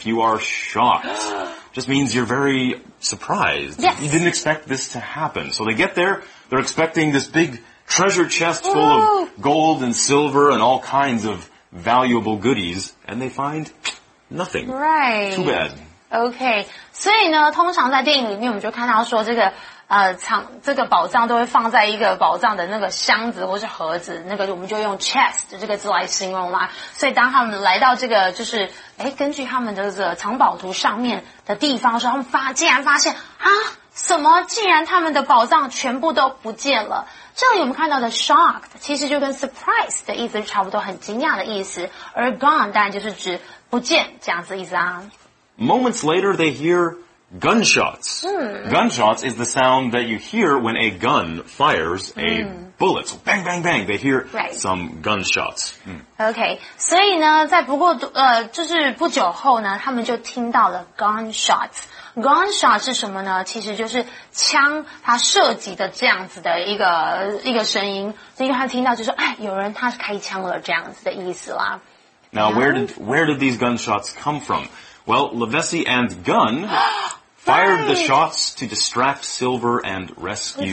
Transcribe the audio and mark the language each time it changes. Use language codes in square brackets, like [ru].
[en] If you are shocked, just means you're very surprised. Yes. You didn't expect this to happen. So they get there, they're expecting this big treasure chest full of gold and silver and all kinds of valuable goodies, and they find nothing. Right. Too bad. Okay. [zh] 所以呢，通常在电影里面我们就看到说这个这个宝藏都会放在一个宝藏的那个箱子或是盒子，那个我们就用 chest 这个字来形容啦。所以当他们来到这个就是根据他们的这个藏宝图上面的地方的时候，他们竟然发现啊，什么竟然他们的宝藏全部都不见了。这里我们看到的 shocked 其实就跟 surprise 的意思差不多，很惊讶的意思，而 gone 当然就是指不见这样子意思啊。 [en] Moments later they hearGunshots. Gunshots is the sound that you hear when a gun fires a bullet. So bang, bang, bang. They hear some gunshots. [zh] Okay. 所以呢在不过就是不久后呢他们就听到了 gunshots. Gunshots 是什么呢？其实就是枪它射击的这样子的一个声音。所以他听到就说哎有人他开枪了这样子的意思啦。 [en] Now, where did these gunshots come from? Well, Levesi and Gunn fired the shots to distract Silver and rescue